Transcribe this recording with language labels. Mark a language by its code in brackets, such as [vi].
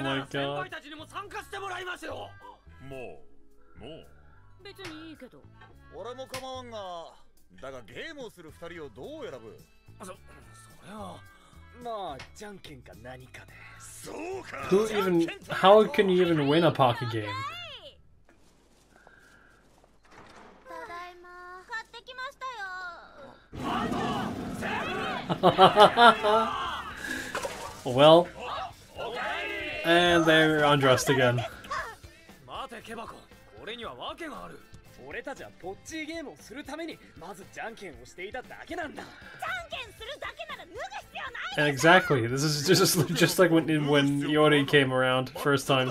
[ja] なら先輩たちにも参加してもらいましょう。もう別にいいけど俺も構わんが、だがゲームをする二人をどう選ぶ。それはまあ、じゃんけんか何かで。そうか。 [en] Who even? How can you even win a poker game? [ja] ただいま。買ってきましたよ。 [en] Well. And they're undressed again. [ja] 待て、ケバコ。これには訳がある。俺たちはポッチーゲームをするためにまずじゃんけんをしていただけなんだ。じゃんけんするだけなら脱ぐ必要ない。 [en] And exactly, this is just like when Yori came around first time.